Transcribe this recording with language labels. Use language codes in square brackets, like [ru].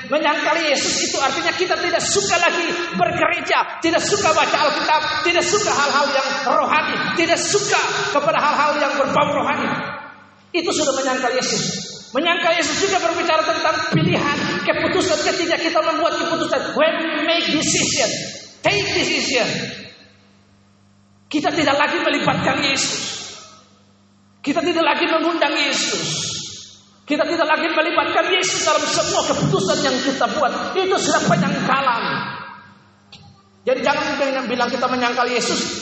[id] Menyangkal Yesus itu artinya kita tidak suka lagi bergereja, tidak suka baca Alkitab, tidak suka hal-hal yang rohani, tidak suka kepada hal-hal yang berbau rohani. Itu sudah menyangkal Yesus. Menyangkal Yesus juga berbicara tentang pilihan, keputusan ketika kita membuat keputusan. [en] When we make decision, take decision. [id] Kita tidak lagi melibatkan Yesus. Kita tidak lagi mengundang Yesus. Kita tidak lagi melibatkan Yesus dalam semua keputusan yang kita buat. Itu sudah penyangkalan. Jadi jangan bilang kita menyangkal Yesus.